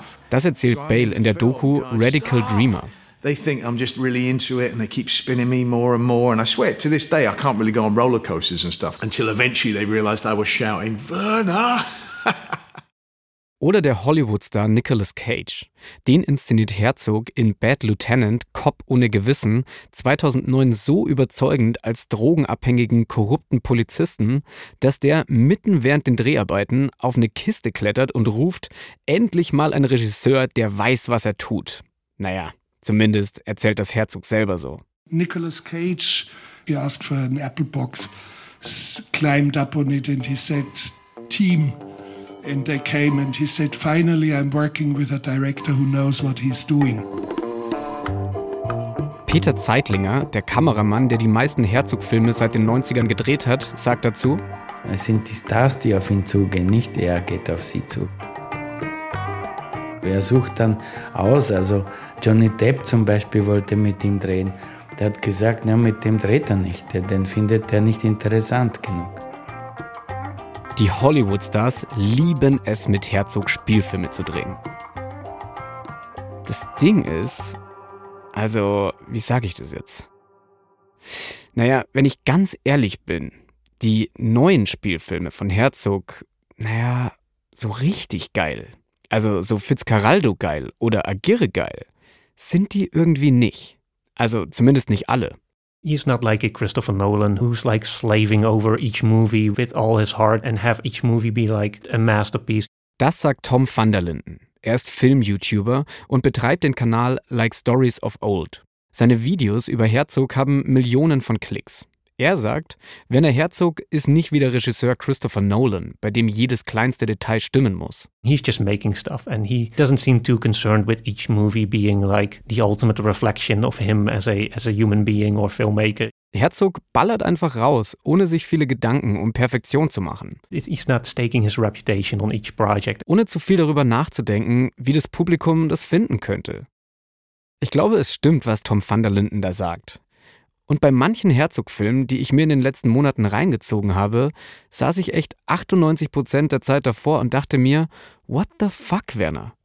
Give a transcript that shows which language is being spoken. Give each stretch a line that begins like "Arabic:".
German: Das erzählt Bale in der Doku Radical Dreamer.
English: They think I'm just really into it and they keep spinning me more and more and I swear to this day I can't really go on roller coasters and stuff until eventually they realized I was shouting Werner.
German: Oder der Hollywood-Star Nicolas Cage. Den inszeniert Herzog in Bad Lieutenant, Cop ohne Gewissen, 2009 so überzeugend als drogenabhängigen, korrupten Polizisten, dass der mitten während den Dreharbeiten auf eine Kiste klettert und ruft, endlich mal ein Regisseur, der weiß, was er tut. Naja, zumindest erzählt das Herzog selber so.
English: Nicolas Cage, he asked for an apple box, climbed up on it and he said, team. And they came and he said, finally I'm working with a director who knows what he's doing.
German: Peter Zeitlinger, der Kameramann, der die meisten Herzog-Filme seit den 90ern gedreht hat, sagt dazu: Es sind die Stars, die auf ihn zugehen, nicht er geht auf sie zu. Wer sucht dann aus? Also Johnny Depp zum Beispiel wollte mit ihm drehen. Der hat gesagt, na, mit dem dreht er nicht, den findet er nicht interessant genug. Die Hollywood-Stars lieben es, mit Herzog Spielfilme zu drehen. Das Ding ist, also, wie sage ich das jetzt? Naja, wenn ich ganz ehrlich bin, die neuen Spielfilme von Herzog, naja, so richtig geil, also so Fitzcarraldo geil oder Aguirre geil, sind die irgendwie nicht. Also zumindest nicht alle.
English: He's not like a Christopher Nolan, who's like slaving over each movie with all his heart and have each movie be like a masterpiece.
German: Das sagt Tom van der Linden. Er ist Film-YouTuber und betreibt den Kanal Like Stories of Old. Seine Videos über Herzog haben Millionen von Klicks. Er sagt, Werner Herzog ist nicht wie der Regisseur Christopher Nolan, bei dem jedes kleinste Detail stimmen muss.
English: He's just making stuff and he doesn't seem too concerned with each movie being like the ultimate reflection of him as a human being or filmmaker.
German: Herzog ballert einfach raus, ohne sich viele Gedanken um Perfektion zu machen.
English: He's not staking his reputation on each project.
German: Ohne zu viel darüber nachzudenken, wie das Publikum das finden könnte. Ich glaube, es stimmt, was Tom van der Linden da sagt. Und bei manchen Herzog-Filmen, die ich mir in den letzten Monaten reingezogen habe, saß ich echt 98% der Zeit davor und dachte mir,
English: what the fuck, Werner?